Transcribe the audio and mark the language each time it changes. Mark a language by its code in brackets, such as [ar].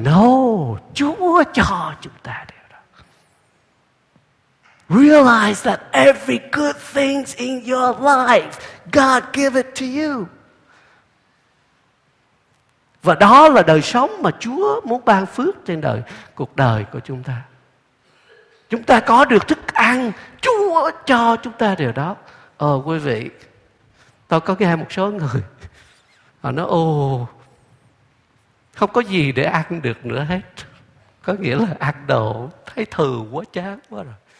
[vi] No, Chúa cho chúng ta điều đó. [en] Realize that every good thing in your life, God give it to you. [vi] Và đó là đời sống mà Chúa muốn ban phước trên đời, cuộc đời của chúng ta. Chúng ta có được thức ăn, Chúa cho chúng ta điều đó. Ờ quý vị, tôi có nghe một số người họ nói ồ không có gì để ăn được nữa hết, có nghĩa là ăn đồ thấy thừa quá, chán quá rồi.